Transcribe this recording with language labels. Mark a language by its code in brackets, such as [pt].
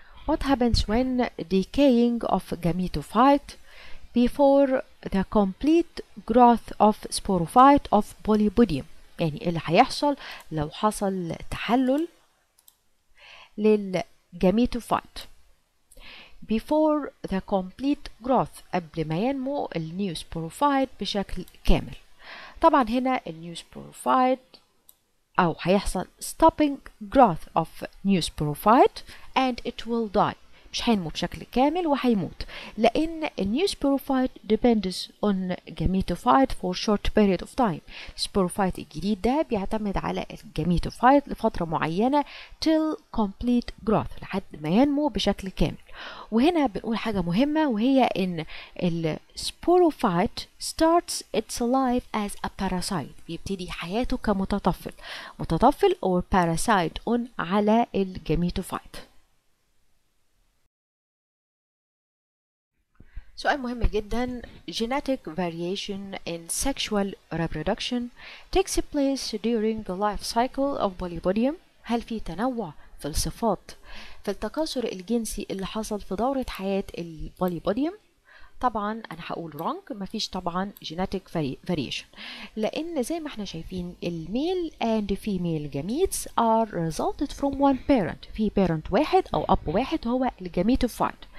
[en] What happens when decaying of gametophyte before the complete growth of sporophyte of polypodium? [ar] يعني اللي هيحصل لو حصل تحلل للجاميتوفايت before the complete growth قبل ما ينمو النيو سبوروفايت بشكل كامل. طبعا هنا النيو سبوروفايت أو هيحصل stopping growth of new sporophyte and it will die مش هينمو بشكل كامل وهيموت لأن new sporophyte depends on gametophyte for short period of time sporophyte الجديد ده بيعتمد على gametophyte لفترة معينة till complete growth لحد ما ينمو بشكل كامل وهنا بنقول حاجة مهمة وهي إن sporophyte starts its life as a parasite بيبتدي حياته كمتطفل متطفل or parasite on على gametophyte سؤال مهم جدا. [en] Genetic variation in sexual reproduction takes place during the life cycle of polypodium. [ar] هل في تنوع في الصفات في التكاثر الجنسي اللي حصل في دورة حياة البوليبوديوم؟ طبعا انا هقول رونج، مفيش طبعا جيناتيك فاريشن، لان زي ما احنا شايفين الميل اند فيميل جاميتس ار ريزلتد فروم وان بيرنت، في بيرنت واحد او اب واحد هو الجاميتوفايت